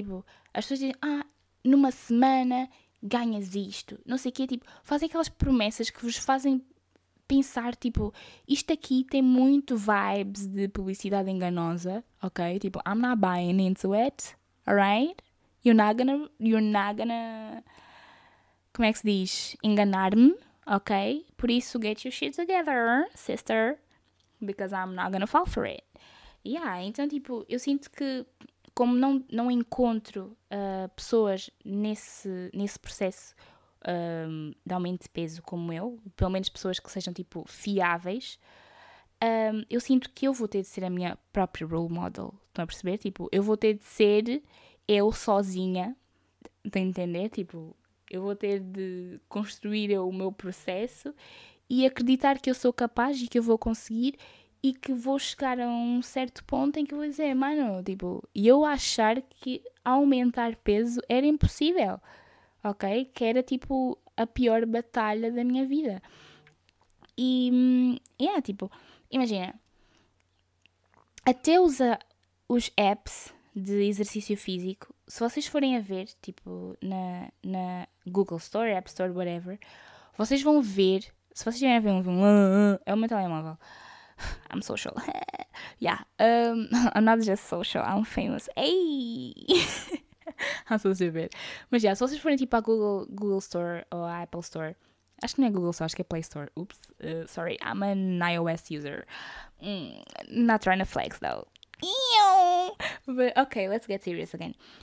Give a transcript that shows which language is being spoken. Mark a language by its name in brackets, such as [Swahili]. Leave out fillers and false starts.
[Portuguese] Tipo, as pessoas dizem, ah, numa semana ganhas isto, não sei o quê, tipo, fazem aquelas promessas que vos fazem pensar, tipo, isto aqui tem muito vibes de publicidade enganosa, ok? Tipo, [English] I'm not buying into it, alright? You're not gonna, [Portuguese] como é que se diz? Enganar-me, ok? Por isso, [English] get your shit together, sister, because I'm not gonna fall for it. [Portuguese] Yeah, então, tipo, eu sinto que, como não encontro pessoas nesse processo de aumento de peso como eu, pelo menos pessoas que sejam, tipo, fiáveis, eu sinto que eu vou ter de ser a minha própria role model, estão a perceber? Tipo, eu vou ter de ser eu sozinha, estão a entender? Tipo, eu vou ter de construir o meu processo e acreditar que eu sou capaz e que eu vou conseguir e que vou chegar a um certo ponto em que eu vou dizer, mano, tipo, e eu achar que aumentar peso era impossível, ok? Que era, tipo, a pior batalha da minha vida. E, yeah, tipo, imagina, até os apps de exercício físico, se vocês forem a ver, tipo, na Google Store, App Store, whatever, vocês vão ver, se vocês tiverem a ver um... É o meu telemóvel. [English] I'm social. Yeah. I'm not just social, I'm famous. Ei! I'm so stupid. [Portuguese] Mas, yeah, se vocês forem, tipo, à Google Store ou à Apple Store, acho que não é Google Store, acho que é Play Store. [English] Oops, sorry, I'm an iOS user. Not trying to flex, though. But, ok, let's get serious again.